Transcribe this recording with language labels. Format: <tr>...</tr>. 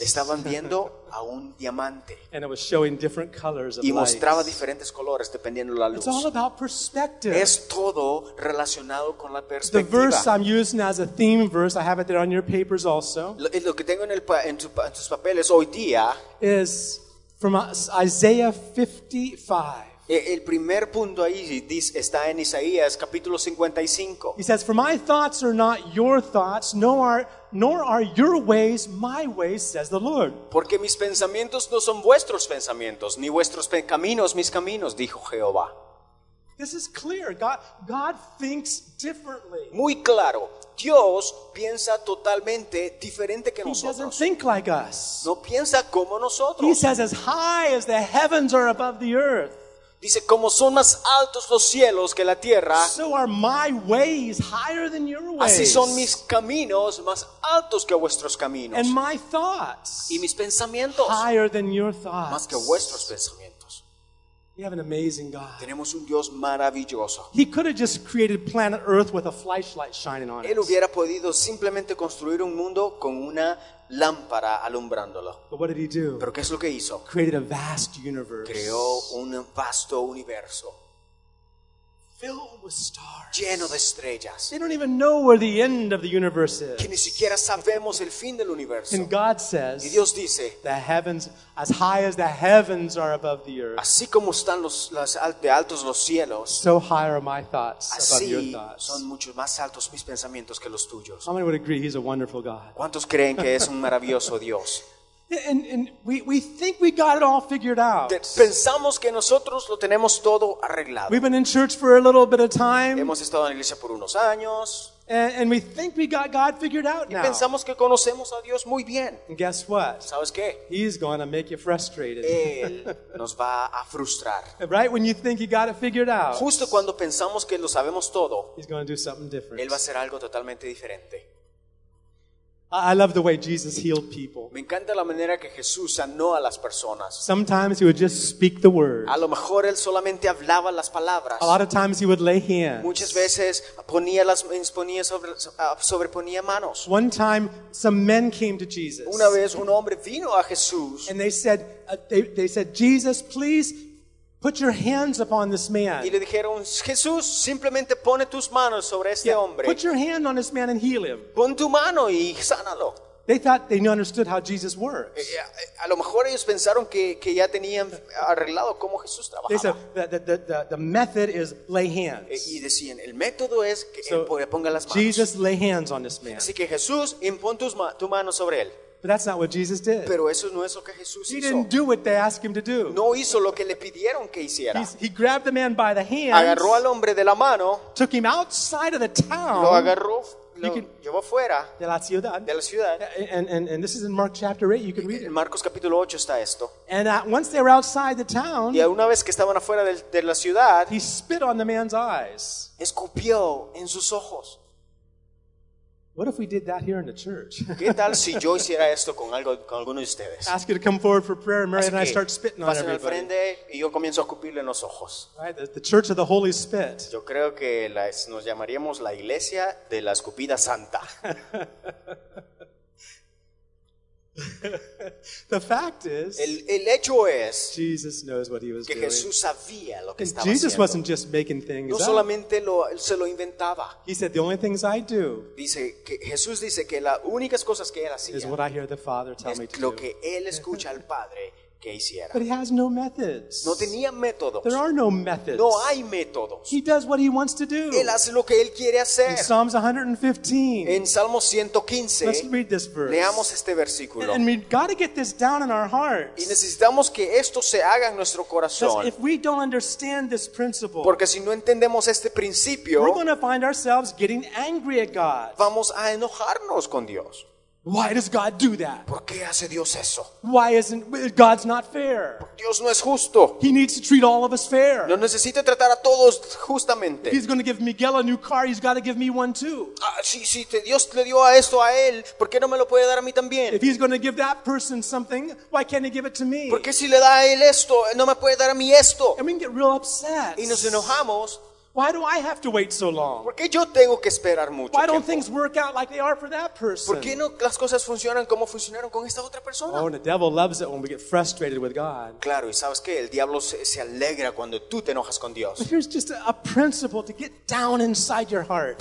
<es>Estaban viendo a un diamante.</es> <en>And it was showing different colors of</en> <es>y mostraba</es> <en>lights.</en> <es>Diferentes colores dependiendo de la luz.</es> <en>It's all about perspective.</en> <es>Es todo relacionado con la perspectiva.</es> <en>The verse I'm using as a theme verse, I have it there on your papers also.</en> <es>Lo que tengo en tus papeles hoy día</es> <en>is from Isaiah 55.</en> <es>El primer punto ahí dice, está en Isaías capítulo 55.</es> <en>He says, for my thoughts are not your thoughts, nor are your ways my ways, says the Lord.</en> <es>Porque mis pensamientos no son vuestros pensamientos, ni vuestros caminos mis caminos, dijo Jehová.</es> <en>This is clear. God thinks differently.</en> <es>Muy claro. Dios piensa totalmente diferente que</es> <en>He</en> <es>nosotros.</es> <en>He doesn't think like us.</en> <es>No piensa como nosotros.</es> <en>He says, as high as the heavens are above the earth.</en> <es>Dice, como son más altos los cielos que la tierra,</es> <en>so are my ways higher than your ways.</en> <es>Así son mis caminos más altos que vuestros caminos.</es> <en>And my thoughts</en> <es>y mis pensamientos</es> <en>higher than your thoughts.</en> <es>Más que vuestros pensamientos.</es> <en>We have an amazing God.</en> <es>Tenemos un Dios maravilloso.</es> <en>He could have just created planet Earth with a flashlight shining on it.</en> <es>Él hubiera podido simplemente construir un mundo con una lámpara alumbrándolo.</es> <en>But what did he do?</en> <es>¿Pero qué es lo que hizo?</es> <en>Created a vast universe.</en> <es>Creó un vasto universo.</es> <en>Filled with stars.</en> <es>Lleno de estrellas.</es> <en>They don't even know where the end of the universe is.</en> <es>Que ni siquiera sabemos el fin del universo.</es> <en>And God says,</en> <es>y Dios dice,</es> <en>the heavens, as high as the heavens are above the earth.</en> <es>Así como están de altos los cielos.</es> <en>So high are my thoughts above your thoughts.</en> <es>Son mucho más altos mis pensamientos que los tuyos.</es> <en>How many would agree he's a wonderful God?</en> <es>¿Cuántos creen que es un maravilloso Dios?</es> <en>And we think we got it all figured out.</en> <es>Pensamos que nosotros lo tenemos todo arreglado.</es> <en>We've been in church for a little bit of time.</en> <es>Hemos estado en la iglesia por unos años.</es> <en>And we think we got God figured out now.</en> <es>Y pensamos que conocemos a Dios muy bien.</es> <en>And guess what?</en> <es>¿Sabes qué?</es> <en>He's going to make you frustrated.</en> <es>Él nos va a frustrar.</es> <en>Right when you think you got it figured out.</en> <es>Justo cuando pensamos que lo sabemos todo.</es> <en>He's going to do something different.</en> <es>Él va a hacer algo totalmente diferente.</es> <en>I love the way Jesus healed people.</en> <es>Me encanta la manera que Jesús sanó a las personas.</es> <en>Sometimes he would just speak the word.</en> <es>A lo mejor él solamente hablaba las palabras.</es> <en>A lot of times he would lay hands.</en> <es>Muchas veces sobreponía manos.</es> <en>One time some men came to Jesus.</en> <es>Una vez un hombre vino a Jesús.</es> <en>And they said, Jesus, please put your hands upon this man.</en> <es>Y le dijeron, Jesús, simplemente pone tus manos sobre este hombre.</es> <en>Put your hand on this man and heal him.</en> <es>Pon tu mano y sánalo.</es> <en>They thought they understood how Jesus works.</en> <es>A lo mejor ellos pensaron que ya tenían arreglado cómo Jesús trabajaba.</es> <en>They said the method is lay hands.</en> <es>Y decían, el método es que él ponga las manos.</es> <en>Jesus, lay hands on this man.</en> <es>Así que Jesús, impon tu mano sobre él.</es> <en>But that's not what Jesus did.</en> <es>Pero eso no es lo que Jesús</es> <en>he Didn't do what they asked him to do.</en> <es>No hizo lo que le pidieron que hiciera.</es> <en>He grabbed the man by the hand.</en> <es>Agarró al hombre de la mano.</es> <en>Took him outside of the town.</en> <es>Lo agarró. Llevó fuera de la ciudad. De la ciudad.</es> <en>And this is in Mark chapter 8. You can read it.</en> <es>En Marcos capítulo 8 está esto.</es> <en>And once they were outside the town.</en> <es>Y una vez que estaban afuera de la ciudad.</es> <en>He spit on the man's eyes.</en> <es>Escupió en sus ojos.</es> <en>What if we did that here in the church?</en> <es>¿Qué tal si yo hiciera esto con algo con alguno de ustedes?</es> <en>Ask you to come forward for prayer, and Mary and I start spitting on everybody.</en> <es>Pasen al frente y yo comienzo a escupirle en los ojos.</es> <en>Right, the church of the holy spit.</en> <es>Yo creo que nos llamaríamos la iglesia de la escupida santa.</es> <en>The fact is,</en> <es>el hecho es,</es> <en>Jesus knows what he was</en> <es>que</es> <en>doing.</en> <es>Jesús sabía lo que</es> <en>and</en> <es>estaba</es> <en>Jesus</en> <es>haciendo.</es> <en>Wasn't just making things</en> <es>no</es> <en>up.</en> <es>Solamente se lo inventaba.</es> <en>He said, the only things I do</en> <es>dice que Jesús dice que las únicas cosas que él hacía</es> <en>is what I hear the Father tell</en> <es>es</es> <en>me to</en> <es>lo</es> <en>do.</en> <es>Que él escucha al Padre que hiciera.</es> <en>But he has no methods.</en> <es>No tenía métodos.</es> <en>There are no methods.</en> <es>No hay métodos.</es> <en>He does what he wants to do.</en> <es>Él hace lo que él quiere hacer.</es> <en>In Psalms 115.</en> <es>En Salmo 115.</es> <en>Let's read this verse.</en> <es>Leamos este versículo.</es> <en>And we've got to get this down in our hearts.</en> <es>Y necesitamos que esto se haga en nuestro corazón.</es> <en>Because if we don't understand this principle,</en> <es>porque si no entendemos este principio,</es> <en>we're going to find ourselves getting angry at God.</en> <es>Vamos a enojarnos con Dios.</es> <en>Why does God do that?</en> <es>¿Por qué hace Dios eso?</es> <en>Why isn't God's not fair?</en> <es>Dios no es justo.</es> <en>He needs to treat all of us fair.</en> <es>Lo necesita tratar a todos justamente.</es> <en>If he's going to give Miguel a new car, he's got to give me one too.</en> <es>Dios le dio a esto a él, ¿por qué no me lo puede dar a mí también?</es> <en>If he's going to give that person something, why can't he give it to me?</en> <es>¿Por qué si le da a él esto, no me puede dar a mí esto?</es> <en>And we can get real upset.</en> <es>Y nos enojamos.</es> <en>Why do I have to wait so long?</en> <es>¿Por qué yo tengo que esperar mucho</es> <en>Why don't</en> <es>tiempo?</es> <en>Things work out like they are for that person?</en> <es>¿Por qué no las cosas funcionan como funcionaron con esta otra persona?</es> <en>Oh, and the devil loves it when we get frustrated with God.</en> <es>Claro, y sabes qué, el diablo se alegra cuando tú te enojas con Dios.</es> <en>But here's just a principle to get down inside your heart.</en>